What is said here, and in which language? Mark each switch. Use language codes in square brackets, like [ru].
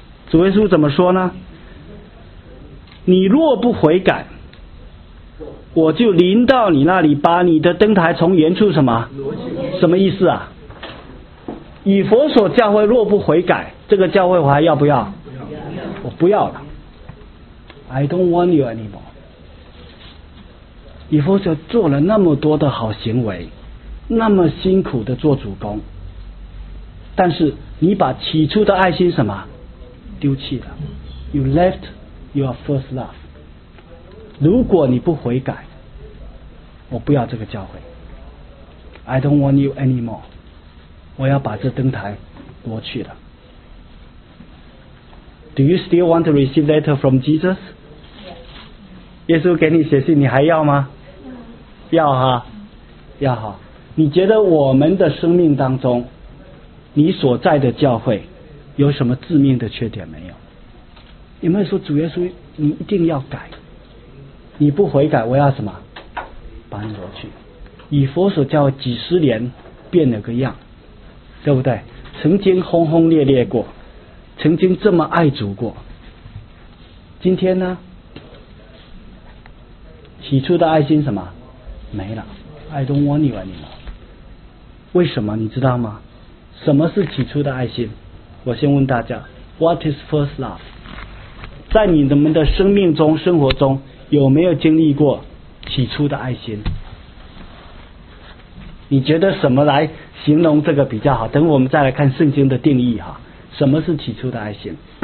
[zh] 主耶稣怎么说呢？你若不悔改，我就临到你那里，把你的灯台从原处什么？什么意思啊？以弗所教会若不悔改，这个教会我还要不要？我不要了。 [en] I don't want you anymore。 [zh] 以弗所做了那么多的好行为，那么辛苦的做主工，但是你把起初的爱心什么丢弃了。 [en] You left your first love。 [zh] 如果你不悔改，我不要这个教会。 [en] I don't want you anymore。 [zh] 我要把这灯台挪去了。 [en] Do you still want to receive letter from Jesus？ [zh] 耶稣给你写信你还要吗？要哈，要哈。你觉得我们的生命当中，你所在的教会有什么致命的缺点没有？有没有说主耶稣你一定要改，你不悔改，我要什么？把你挪去。以弗所教几十年变了个样，对不对？曾经轰轰烈烈过，曾经这么爱主过，今天呢？起初的爱心什么？没了。 [en] I don't want you anymore。 [zh] 为什么你知道吗？什么是起初的爱心？我先问大家， [en] What is first love？ [zh] 在你们的生命中、生活中，有没有经历过起初的爱心？你觉得什么来形容这个比较好？等我们再来看圣经的定义哈。什么是起初的爱心？